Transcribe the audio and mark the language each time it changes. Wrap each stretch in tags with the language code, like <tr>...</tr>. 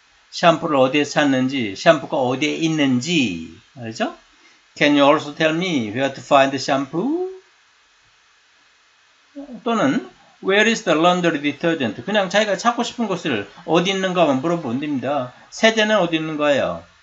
<ko>샴푸를 어디에서 찾는지 샴푸가 어디에 있는지 알죠?</ko> <en>Can you also tell me where to find the shampoo? 또는 Where is the laundry detergent?</en> <ko>그냥 자기가 찾고 싶은 곳을 어디 있는가 한번 물어보면 됩니다. 세제는 어디 있는 거예요?</ko>